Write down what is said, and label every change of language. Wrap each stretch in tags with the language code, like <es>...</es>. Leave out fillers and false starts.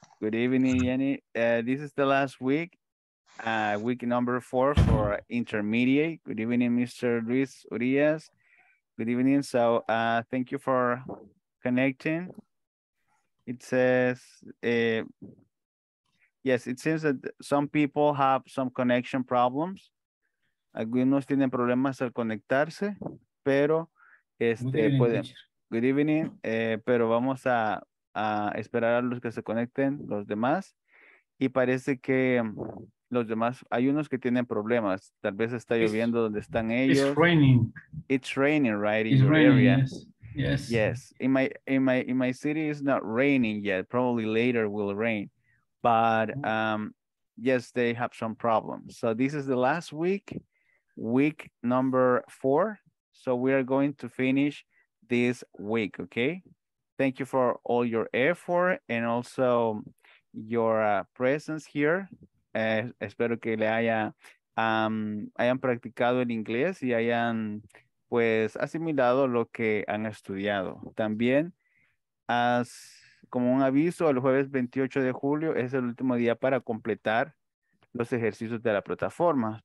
<en>Good evening, Jenny. This is the last week. Week number 4 for intermediate. Good evening, Mr. Luis Urias. Good evening. So thank you for connecting. It says, yes, it seems that some people have some connection problems.</en> <es>Algunos tienen problemas al conectarse, pero</es> <en>good evening,</en> <es>pero vamos a esperar a los que se conecten, los demás, y parece que los demás, hay unos que tienen problemas, tal vez está lloviendo donde están ellos.</es> <en>It's raining, right, in your area. Yes. Yes. In my city it's not raining yet. Probably later will rain. But yes, they have some problems. So this is the last week, week number 4. So we are going to finish this week, okay? Thank you for all your effort and also your presence here.</en> <es>Espero que le haya hayan practicado el inglés y hayan pues asimilado lo que han estudiado. También, como un aviso, el jueves 28 de julio es el último día para completar los ejercicios de la plataforma.</es>